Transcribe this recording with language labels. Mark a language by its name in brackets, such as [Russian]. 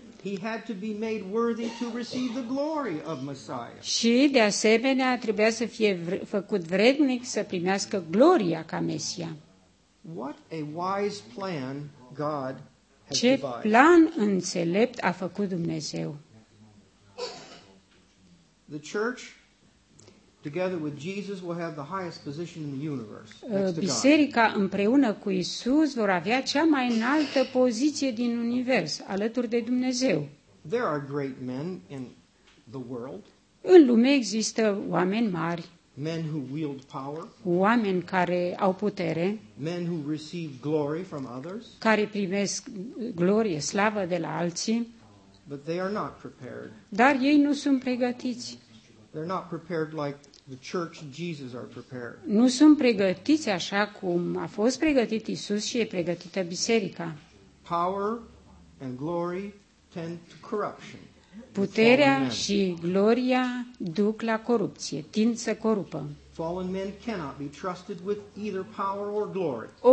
[English] He had to be made worthy to receive the glory of Messiah. [Romanian] Și de asemenea trebuia să fie făcut vrednic să primească gloria ca Mesia. [English] What a wise plan God has [Romanian] Ce [English] devised. [Romanian] Plan înțelept a făcut Dumnezeu. [English] The church together with Jesus will have the highest position in the universe. [Romanian] Biserica împreună cu Isus vor avea cea mai înaltă poziție din univers, alături de Dumnezeu. [English] There are great men in the world. [Romanian] În lume există oameni mari. [English] Men who wield power. [Romanian] Oameni care au putere. [English] Men who receive glory from others. [Romanian] Care primesc glorie, slavă de la alții. [English] But they are not prepared. [Romanian] Dar ei nu sunt pregătiți. [English] They're not prepared like the church Jesus are prepared. [Romanian] Nu sunt pregătiți așa cum a fost pregătit Isus și e pregătită biserica. [English] Power and glory tend to corruption. [Romanian] Puterea și gloria duc la corupție, tind să corupă. [English] Fallen men cannot be trusted with either power or glory.